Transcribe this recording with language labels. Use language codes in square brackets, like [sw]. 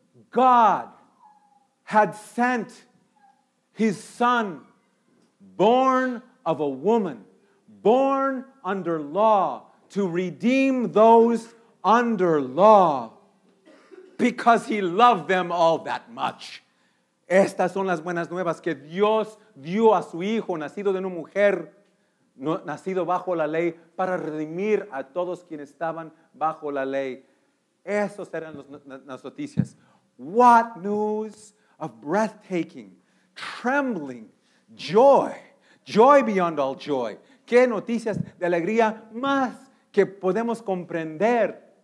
[en] God had sent his son, born of a woman, born under law, to redeem those under law because he loved them all that much. [es] Estas son las buenas nuevas que Dios dio a su hijo, nacido de una mujer, nacido bajo la ley, para redimir a todos quienes estaban bajo la ley. Esos eran las noticias. [en] What news of breathtaking, trembling, joy, joy beyond all joy. [es] ¿Qué noticias de alegría más que podemos comprender?